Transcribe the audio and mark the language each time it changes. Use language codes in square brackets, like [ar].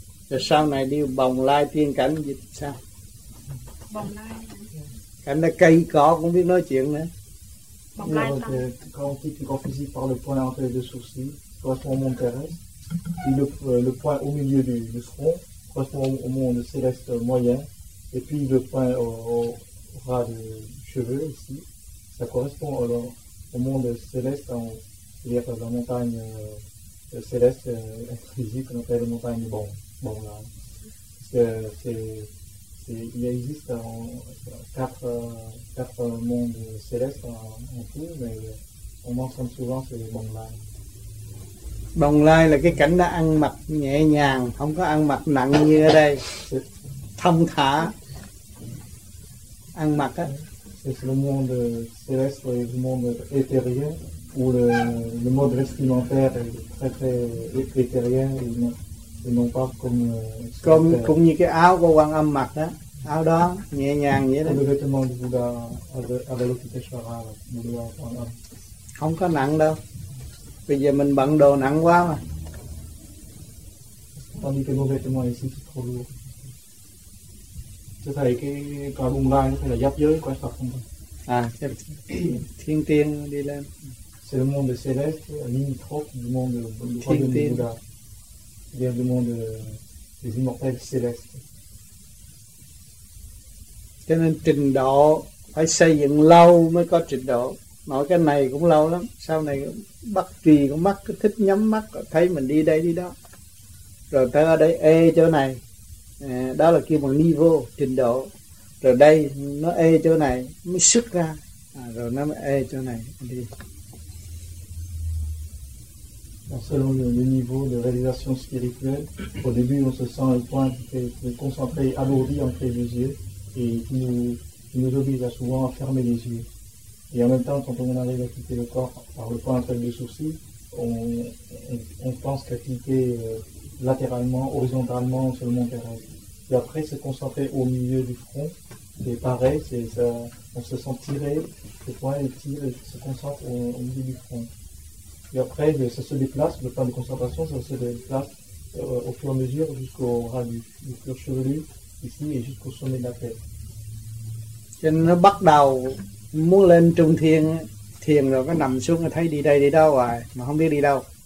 [vi] Rồi sau này đi bồng lai tiên cảnh dịch sao? Bồng lai. Cảnh là cây cỏ cũng biết nói chuyện nữa. [fr] Quand on quitte le corps physique par le point entre les deux sourcils, correspond au monde terrestre. Puis le point au milieu du front correspond au monde céleste moyen. Et puis le point au ras du cheveu ici, ça correspond au monde céleste, c'est-à-dire la montagne céleste intrinsique qu'on appelle la montagne bon là. Il existe quatre mondes célestes en tout, mais on mentionne souvent c'est les Bồng Lai. [vi] Bồng Lai là cái cảnh đó ăn mặc nhẹ nhàng, không có ăn mặc nặng như ở đây, thông thả ăn mặc á. [fr] C'est le monde céleste et le monde éthérien, où le mode vestimentaire est très très éthérien et non pas comme [vi] cũng như cái áo của Quan Âm mặc á. Áo đó nhẹ nhàng vậy đó. [fr] Cái vêtement du Bouddha Avalokiteshvara, Bouddha Quan Âm. [vi] Không có nặng đâu. Bây giờ mình bận đồ nặng quá mà. Còn cái bộ [fr] vêtement ici c'est trop lourd. [vi] Thế thầy cái cõi Bồng Lai nó phải là giáp giới quan sát không thôi. À, thiên tiên đi lên. [fr] C'est le monde céleste, limitrophe du monde du Bouddha. C'est-à-dire du monde des immortels célestes. [vi] Cho nên trình độ phải xây dựng lâu mới có trình độ. Nói cái này cũng lâu lắm. Sau này bắt trì con mắt, cứ thích nhắm mắt, thấy mình đi đây đi đó. Rồi tới ở đây ê chỗ này. Đó là kêu bằng niveau, trình độ. Rồi đây nó ê chỗ này, mới xuất ra. Rồi nó mới ê chỗ này. Đi. [fr] Selon le niveau de réalisation spirituelle, au début on se sent un point qui est concentré, alourdi entre les yeux. Et qui nous oblige à souvent à fermer les yeux. Et en même temps, quand on arrive à quitter le corps par le point entre les deux sourcils, on pense qu'à quitter latéralement, horizontalement sur le monde terrestre. Et après, se concentrer au milieu du front, c'est pareil, on se sent tiré, le point est tiré, se concentre au milieu du front. Et après, ça se déplace, le point de concentration, ça se déplace au fur et à mesure jusqu'au ras du cuir chevelu ici et jusqu'au sommet de la tête. [vi] Cho nên nó bắt đầu muốn lên trung thiên thiền rồi nó nằm xuống thấy đi đây đi đâu rồi mà không biết đi đâu.